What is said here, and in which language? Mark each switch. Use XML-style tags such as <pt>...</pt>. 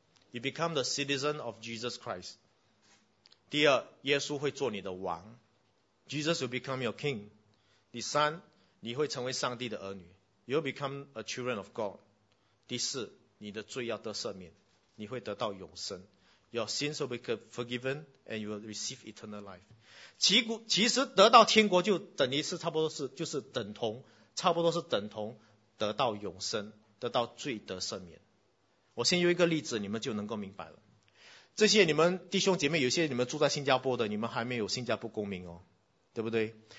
<en>You become the citizen of Jesus Christ.</en> <zh>第二，耶稣会做你的王。</zh> <en>Jesus will become your king.</en> <zh>第三，你会成为上帝的儿女。</zh> <en>You will become a children of God.</en> <zh>第四，你的罪要得赦免，你会得到永生。</zh> <en>Your sins will be forgiven and you will receive eternal life.</en> <zh>其实得到天国就等于是差不多是就是等同，差不多是等同得到永生，得到罪得赦免。我先用一个例子，你们就能够明白了。这些你们弟兄姐妹，有些你们住在新加坡的，你们还没有新加坡公民哦，对不对？</zh>